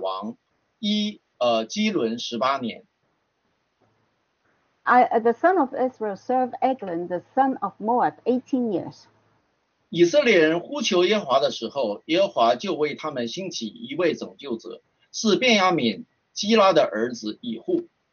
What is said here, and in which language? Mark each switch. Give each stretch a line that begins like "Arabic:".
Chinese: 于是以色列人服侍摩亚王基伦十八年.
English: The son of Israel served Eglon, the son of Moab, 18 years.
Chinese: 以色列人呼求耶和华的时候，耶和华就为他们兴起一位拯救者，是便雅悯基拉的儿子以户。